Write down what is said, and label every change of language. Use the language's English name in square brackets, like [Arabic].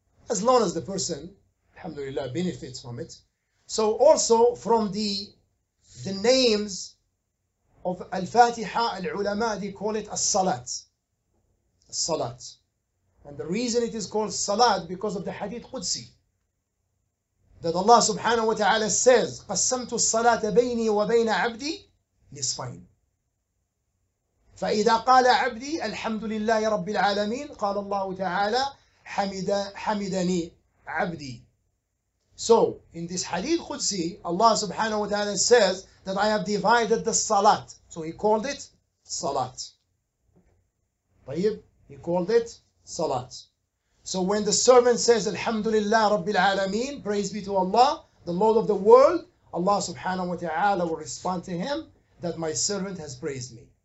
[English] As long as the person, alhamdulillah, benefits from it. So also from the names of Al-Fatiha, al-ulama, they call it as-salat. As-salat. And the reason it is called salat because of the hadith Qudsi. That Allah subhanahu wa ta'ala says, [Arabic] قَسَّمْتُ الصَّلَاةَ بَيْنِي وَبَيْنَ عَبْدِي نِصْفَيْنِ فَإِذَا قَالَ عَبْدِي الْحَمْدُ لِلَّهِ رَبِّ الْعَالَمِينَ قَالَ اللَّهُ تَعَالَى حَمِدَنِي عَبْدِي. [English] So, in this hadith Qudsi, Allah subhanahu wa ta'ala says that I have divided the salat. So he called it salat. طيب, he called it salat. So when the servant says, Alhamdulillah Rabbil Alameen, praise be to Allah, the Lord of the world, Allah subhanahu wa ta'ala will respond to him that my servant has praised me.